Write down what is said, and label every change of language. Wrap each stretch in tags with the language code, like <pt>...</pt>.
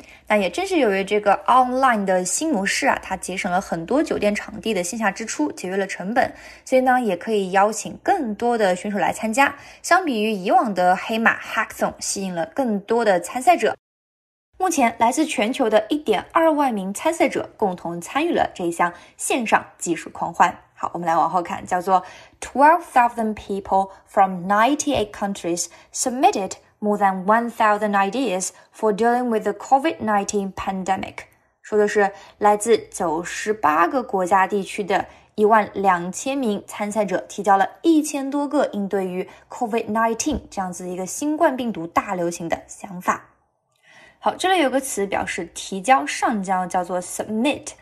<zh>那也正是由于这个 online 的新模式啊，它节省了很多酒店场地的线下支出，节约了成本，所以呢也可以邀请更多的选手来参加，相比于以往的黑马 Hackathon 吸引了更多的参赛者。目前来自全球的 1.2 万名参赛者共同参与了这一项线上技术狂欢。好，我们来往后看，叫做</zh> <en>12,000 people from 98 countries submitted more than 1,000 ideas for dealing with the COVID-19 pandemic.</en> <zh>说的是来自98个国家地区的12,000名参赛者提交了1000多个应对于 COVID-19 这样子一个新冠病毒大流行的想法。好，这里有个词表示提交上交，叫做 submit。</zh>